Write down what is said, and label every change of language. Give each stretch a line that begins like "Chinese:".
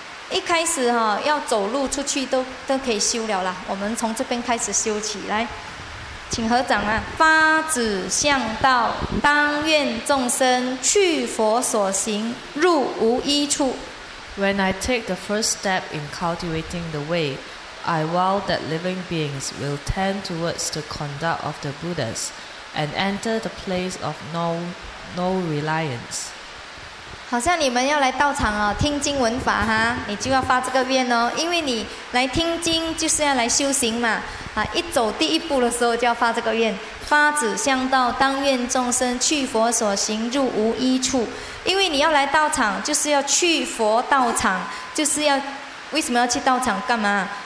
Chinese: 一开始哈、哦，要走路出去都可以修了啦。我们从这边开始修起来，请合掌啊，发指向道，当愿众生去佛所行，入无依处。
English: When I take the first step in cultivating the way, I vow that living beings will tend towards the conduct of the Buddhas and enter the place of no reliance.
Chinese: 好像你们要来道场哦，听经闻法哈，你就要发这个愿哦，因为你来听经就是要来修行嘛。啊，一走第一步的时候就要发这个愿，发指向道，当愿众生去佛所行，入无依处。因为你要来道场，就是要去佛道场，就是要为什么要去道场干嘛？